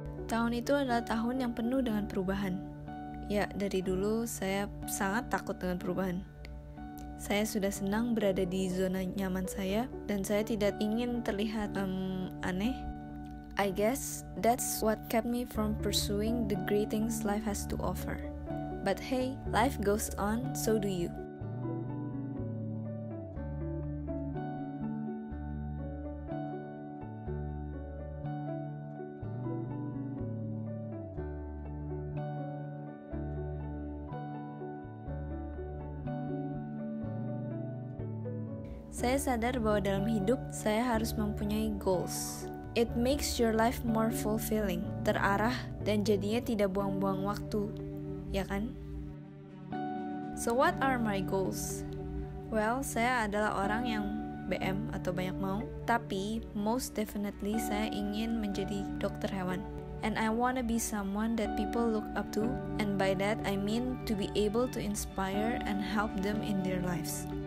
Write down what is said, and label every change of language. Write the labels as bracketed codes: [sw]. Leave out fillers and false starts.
[id] Tahun itu adalah tahun yang penuh dengan perubahan. Ya, dari dulu saya sangat takut dengan perubahan. Saya sudah senang berada di zona nyaman saya, dan saya tidak ingin terlihat aneh. [en] I guess that's what kept me from pursuing the great things life has to offer. But hey, life goes on, so do you. [id] Saya sadar bahwa dalam hidup saya harus mempunyai goals. [en] It makes your life more fulfilling, [id] terarah, dan jadinya tidak buang-buang waktu, ya kan? [en] So what are my goals? Well, [id] saya adalah orang yang BM atau banyak mau, tapi [en] most definitely [id] saya ingin menjadi dokter hewan. [en] And I wanna be someone that people look up to, and by that I mean to be able to inspire and help them in their lives.